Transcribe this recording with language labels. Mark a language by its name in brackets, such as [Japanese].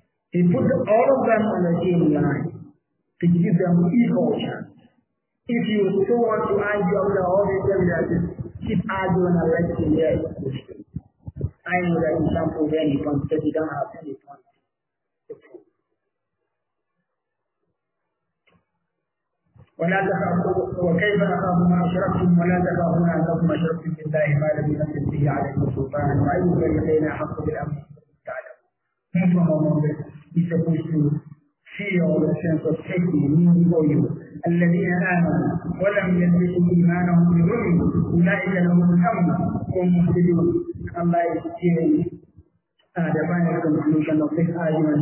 [English] He put all of them on the same line to give them equal chance. If you still want to argue about the whole thing, you have to keep arguing and let him hear the question. I know that in some of them, you can't say you don't have any point. [Arabic] ولا تخافوا وكيف أخاف ما أشركتم ولا تخافون أنكم أشركتم بالله ما لم ينزل به عليكم سلطانا وأي الذين أحق بالأمن تعلمون. هذا هو الموضوع. [English] He's supposed to feel the sense of safety, meaning for you. [Arabic] الذين آمنوا ولم يلبسوا إيمانهم بظلم أولئك لهم الأمن وهم مهتدون. [English] Allah is giving the final conclusion of this argument.